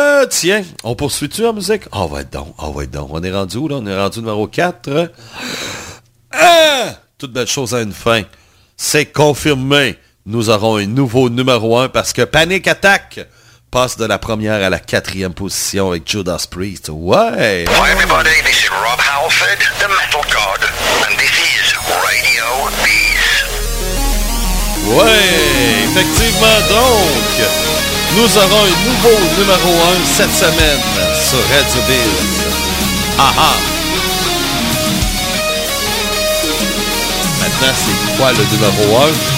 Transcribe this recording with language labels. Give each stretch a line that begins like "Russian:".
French: Tiens, on poursuit-tu en musique? Oh, ouais, donc, On est rendu où, là? On est rendu numéro 4. Toute belle chose à une fin. C'est confirmé. Nous aurons un nouveau numéro 1 parce que Panic Attack passe de la première à la quatrième position avec Judas Priest. Ouais!
English: Hi everybody, this is Rob Halford, the Metal God, and this is Radio Biz.
French: Ouais! Effectivement donc, nous aurons un nouveau numéro 1 cette semaine sur Radio Biz. Aha! Maintenant, c'est quoi le numéro 1?